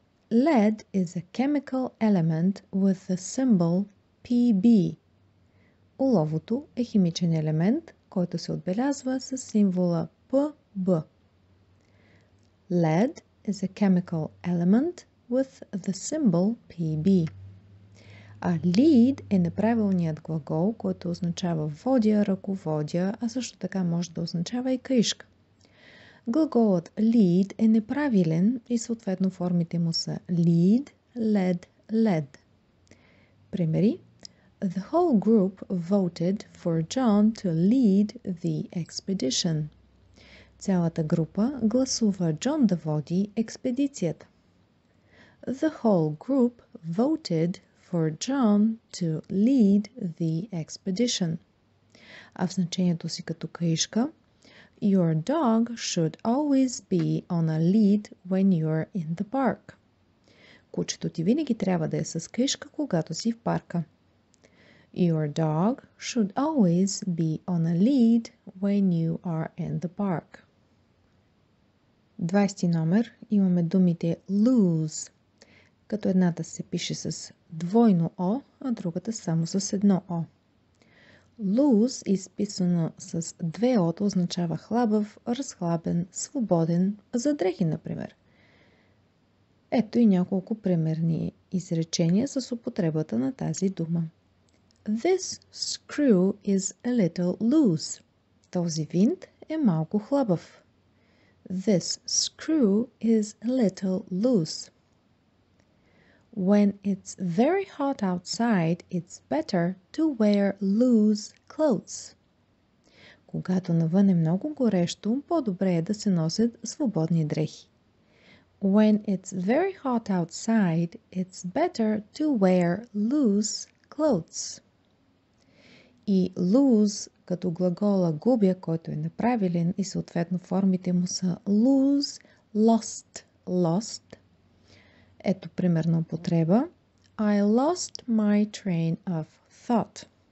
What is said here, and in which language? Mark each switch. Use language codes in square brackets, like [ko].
[en] Lead is a chemical element with the symbol Pb. [bg] Оловото е химичен елемент, който се отбелязва с символа Pb. [en] Lead is a chemical element with the symbol Pb. [bg] А lead е неправилният глагол, който означава водя, ръководя, а също така може да означава и каишка. Глаголът lead е неправилен и съответно формите му са lead, led, led. Примери. [en] The whole group voted for John to lead the expedition. [bg] Цялата група гласува Джон да води експедицията. [en] The whole group voted for John to lead the expedition. [bg] А в значението си като каишка, [en] your dog should always be on a lead when you're in the park. [bg] Кучето ти винаги трябва да е с каишка, когато си в парка. [en] Your dog should always be on a lead when you are in the park. [bg] 20 номер имаме думите lose, като едната се пише с двойно О, а другата само с едно О. Lose, изписано с две О, означава хлабав, разхлабен, свободен, за дрехи, например. Ето и няколко примерни изречения с употребата на тази дума. [en] This screw is a little loose. [bg] Този винт е малко хлабав. [en] This screw is a little loose. When it's very hot outside, it's better to wear loose clothes. [bg] Когато навън е много горещо, по-добре е да се носят свободни дрехи. [en] When it's very hot outside, it's better to wear loose clothes. [bg] И lose като глагола губя, който е неправилен и съответно формите му са lose, lost, lost. Ето примерно употреба. [en] I lost my train of thought.